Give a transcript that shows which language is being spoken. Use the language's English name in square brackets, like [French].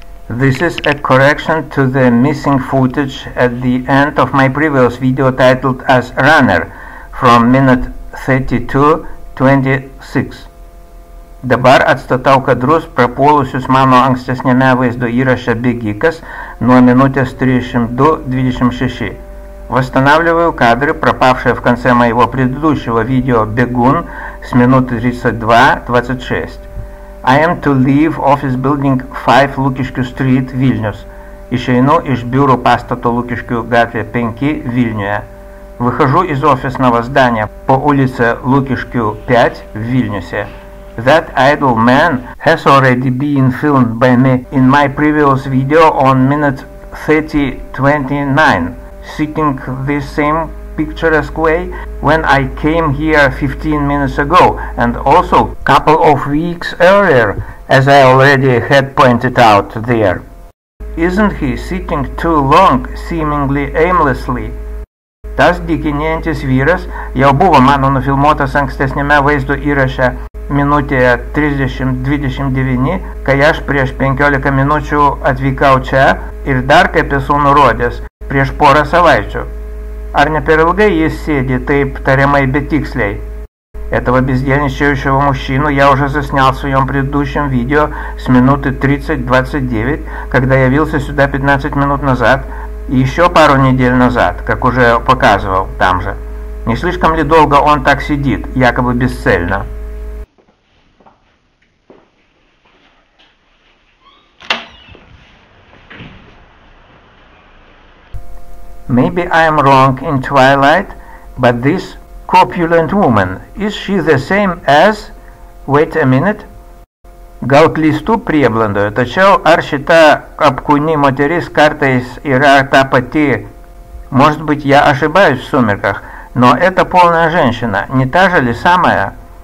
[English] This is a correction to the missing footage at the end of my previous video titled as Runner from minute 32:26. [Lithuanian] Dabar atstatau kadrus prapuolusius mano ankstesniame vaizdo įraše bėgikas nuo minutės 32:26. [Russian] Восстанавливаю кадры, пропавшие в конце моего предыдущего видео «Бегун» с минуты 32:26. [English] I am to leave office building 5 Lukiškių Street, Vilnius. [Lithuanian] Išейну из бюро пастата Лукишкю гатве 5, Вильнюя. [Russian] Выхожу из офисного здания по улице Лукишкю 5, в Вильнюсе. [English] That idle man has already been filmed by me in my previous video on minute 30:29. Seeking this same picturesque way when I came here 15 minutes ago and also couple of weeks earlier, as I already had pointed out there. Isn't he sitting too long, seemingly aimlessly? [Lithuanian] Tas dykinėjantis vyras jau buvo mano nufilmuotas ankstesniame vaizdo įraše minutėje 30:29, kai aš prieš 15 minučių atvykau čia ir dar kaip esu nurodęs, prieš porą savaičių. Ar ne per ilgai jis sėdi taip tariamai betiksliai? [Russian] Этого бездельничающего мужчину я уже заснял в своем предыдущем видео с минуты 30:29, когда явился сюда 15 минут назад и еще пару недель назад, как уже показывал там же. Не слишком ли долго он так сидит, якобы бесцельно? [English] Maybe I am wrong in twilight, but this corpulent woman, is she the same as... Wait a minute. [Lithuanian] Gal klystu prieblandoje, tačiau ar šita apkūni moteris kartais yra ta pati... [Russian] Может быть, я ошибаюсь в сумерках, но это полная женщина, не та же ли самая?